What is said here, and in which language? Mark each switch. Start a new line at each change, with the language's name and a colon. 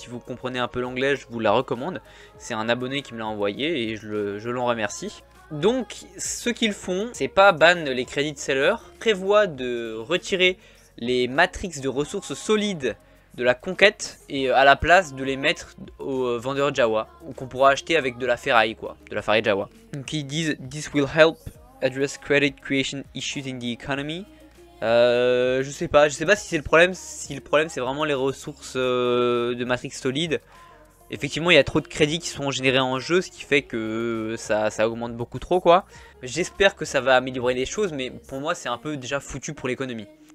French: Si vous comprenez un peu l'anglais, je vous la recommande. C'est un abonné qui me l'a envoyé et je l'en remercie. Donc ce qu'ils font, c'est pas ban les crédits de seller, prévoit de retirer les matrix de ressources solides de la conquête et à la place de les mettre au vendeur Jawa, ou qu'on pourra acheter avec de la ferraille quoi, de la ferraille Jawa. Donc ils disent
English: this will help address credit creation issues in the economy.
French: Je sais pas si c'est le problème. Si le problème c'est vraiment les ressources de matrix solide, effectivement il y a trop de crédits qui sont générés en jeu, ce qui fait que ça augmente beaucoup trop quoi. J'espère que ça va améliorer les choses, mais pour moi c'est un peu déjà foutu pour l'économie.